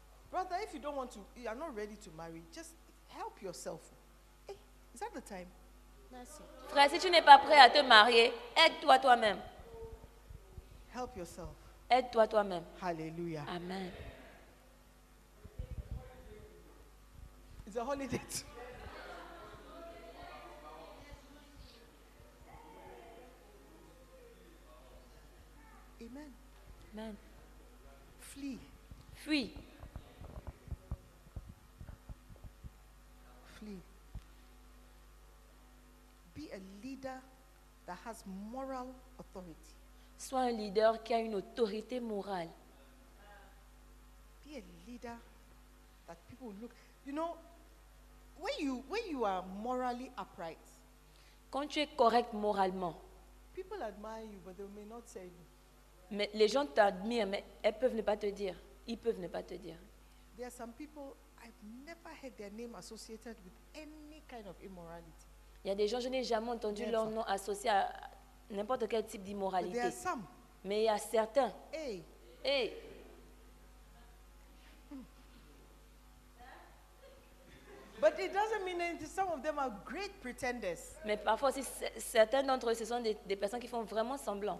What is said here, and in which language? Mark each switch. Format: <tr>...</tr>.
<en>Brother, if you don't want to, you are not ready to marry, just help yourself. Hey, is that the time?</en> <fr>Merci. Frère, si tu n'es pas prêt à te marier, aide-toi toi-même.</fr> <en>Help yourself.</en> <fr>Aide-toi toi-même.</fr> <en>Hallelujah. Amen. It's a holiday too. Amen. Amen. Flee.</en> <fr>Fuis.</fr> <en>Flee. Be a leader that has moral authority.</en> <fr>Sois un leader qui a une autorité morale.</fr> <en>Be a leader that people look. You know, when you are morally upright.</en> <fr>Quand tu es correct moralement.</fr> <en>People admire you, but they may not say you.</en> <fr>Mais les gens t'admirent, mais elles peuvent ne pas te dire. Ils peuvent ne pas te dire.</fr> <en>There are some people I've never heard their name associated with any kind of immorality.</en> <fr>Il y a des gens, je n'ai jamais entendu leur nom associé à n'importe quel type d'immoralité.</fr> <en>There are some.</en> <fr>Mais il y a certains. Hey. Hey.</fr> <en>But it doesn't mean that some of them are great pretenders.</en> <fr>Mais parfois, si certains d'entre eux, ce sont des personnes qui font vraiment semblant.</fr>